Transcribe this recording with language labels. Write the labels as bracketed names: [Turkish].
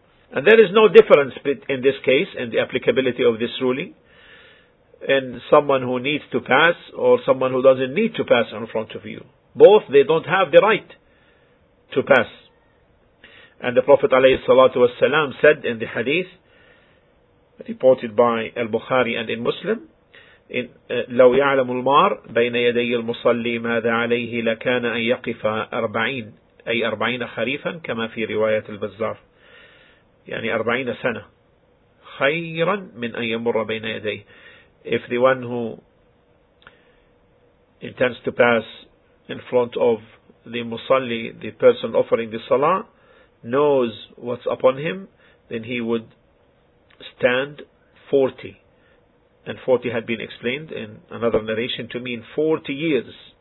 [English] And there is no difference in this case, in the applicability of this ruling, in someone who needs to pass or someone who doesn't need to pass in front of you. Both, they don't have the right to pass. And the Prophet ﷺ said in the hadith, reported by Al-Bukhari and in Muslim, in [Arabic] لو يعلم المار بين يدي المصلي ماذا عليه لكان أن يقف أربعين أي أربعين خريفا كما في رواية البزار يعني أربعين سنة خيرا من أن يمر بين يديه. [English] If the one who intends to pass in front of the musalli, the person offering the salah, knows what's upon him, then he would stand 40. And 40 had been explained in another narration to mean 40 years.